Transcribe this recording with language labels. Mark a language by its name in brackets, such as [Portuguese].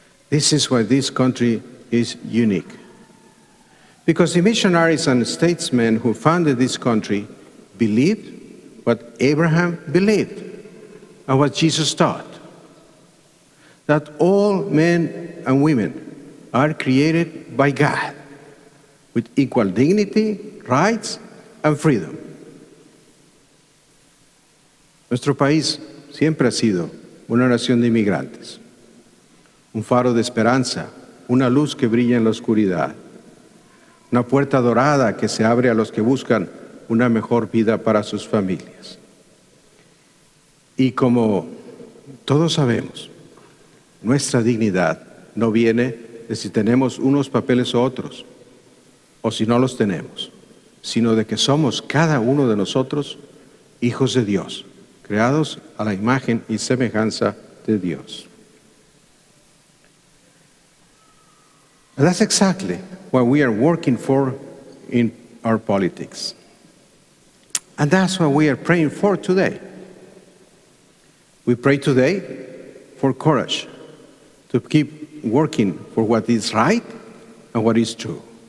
[English] This is why this country is unique. Because the missionaries and statesmen who founded this country believed what Abraham believed and what Jesus taught, that all men and women are created by God with equal dignity, rights, and freedom. [Spanish] Nuestro país siempre ha sido una nación de inmigrantes, un faro de esperanza, una luz que brilla en la oscuridad, una puerta dorada que se abre a los que buscan una mejor vida para sus familias. Y como todos sabemos, nuestra dignidad no viene de si tenemos unos papeles u otros, o si no los tenemos, sino de que somos cada uno de nosotros hijos de Dios, creados a la imagen y semejanza de Dios. [English] And that's exactly what we are working for in our politics. And that's what we are praying for today. We pray today for courage to keep working for what is right and what is true.